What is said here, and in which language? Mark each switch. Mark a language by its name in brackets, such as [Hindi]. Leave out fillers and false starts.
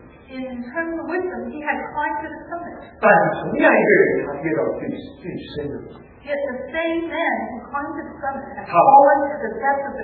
[English] In terms of wisdom, he had climbed to the summit. [Chinese] 但是从另一个人，他跌到最深的。 [English] Yet the same man who climbed to the summit has fallen to the depths of the